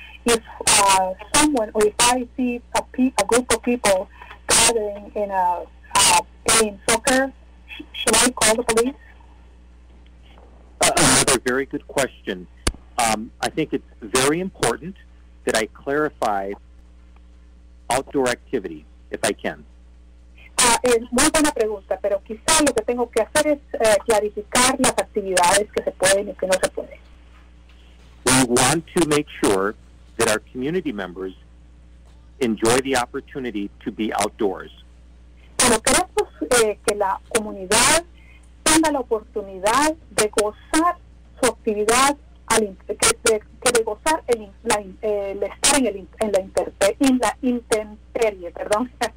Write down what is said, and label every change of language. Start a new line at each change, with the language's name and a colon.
English: If someone, or if I see a group of people gathering in a playing soccer, should I call the police? Another very good question. I think it's very important that I clarify outdoor activity, if I can.
Spanish: Es muy buena pregunta, pero quizá lo que tengo que hacer es clarificar las actividades que se pueden y que no se pueden.
English: We want to make sure that our community members enjoy the opportunity to be outdoors.
Spanish: Pero queremos que la comunidad tenga la oportunidad de gozar su actividad, estar en la intemperie, perdón.